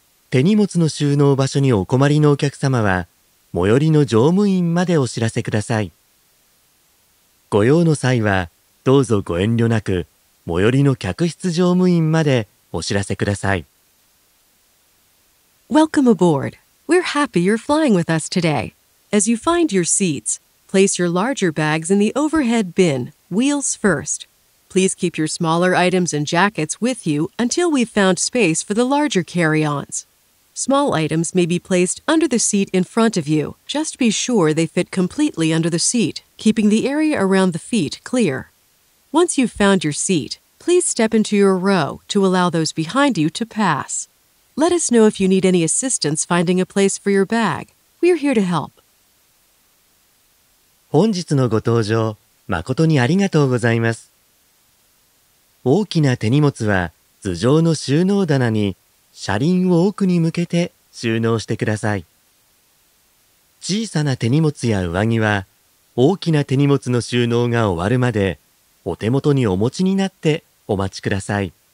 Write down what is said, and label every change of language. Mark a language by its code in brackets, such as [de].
[ja] 手荷物の収納場所にお困りのお客様は、最寄りの乗務員までお知らせください。ご用の際は、どうぞご遠慮なく、最寄りの客室乗務員までお知らせください。 [en] Welcome aboard. We're happy you're flying with us today. As you find your seats, place your larger bags in the overhead bin, wheels first. Please keep your smaller items and jackets with you until we've found space for the larger carry-ons. Small items may be placed under the seat in front of you. Just be sure they fit completely under the seat, keeping the area around the feet clear. Once you've found your seat, please step into your row to allow those behind you to pass. Let us know if you need any assistance finding a place for your bag. We're here to help. [ja] 本日のご搭乗、誠にありがとうございます。大きな手荷物は頭上の収納棚に、車輪を奥に向けて収納してください。小さな手荷物や上着は、大きな手荷物の収納が終わるまで、お手元にお持ちになってお待ちください。